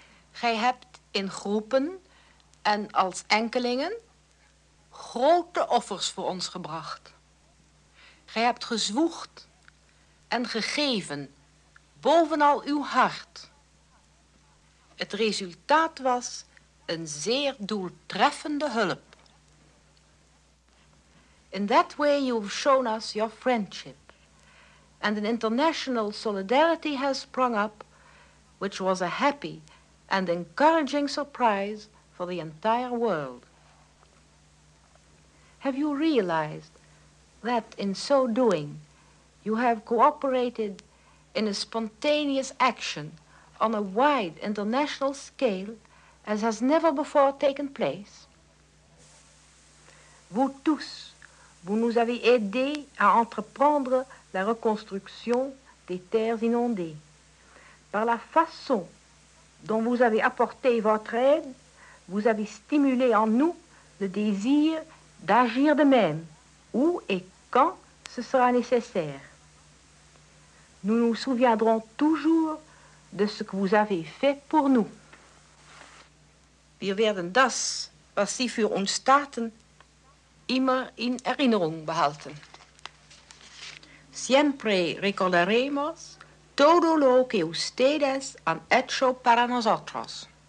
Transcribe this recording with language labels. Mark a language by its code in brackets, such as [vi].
[nl] Gij hebt in groepen en als enkelingen grote offers voor ons gebracht. Gij hebt gezwoegd en gegeven bovenal uw hart. Het resultaat was een zeer doeltreffende hulp. [en] In that way you've shown us your friendship, and an international solidarity has sprung up, which was a happy and encouraging surprise for the entire world. Have you realized that in so doing, you have cooperated in a spontaneous action on a wide international scale as has never before taken place? [fr] Vous tous, vous nous avez aidés à entreprendre la reconstruction des terres inondées. Par la façon dont vous avez apporté votre aide, vous avez stimulé en nous le désir d'agir de même, où et quand ce sera nécessaire. Nous nous souviendrons toujours de ce que vous avez fait pour nous. [de] Wir werden das, was Sie für uns taten, immer in Erinnerung behalten. [es] Siempre recordaremos todo lo que ustedes han hecho para nosotros.